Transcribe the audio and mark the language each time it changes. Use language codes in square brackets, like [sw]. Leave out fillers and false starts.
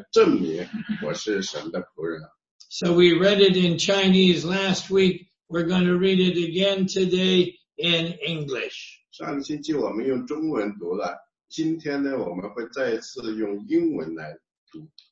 [zh] 这就是保罗说的，他这下面讲的这些方式，他就说，这个可以来支持我，来证明我是神的仆人。So [en] we read it in Chinese last week. We're going to read it again today in English. [zh] 上星期我们用中文读了，今天呢，我们会再次用英文来读。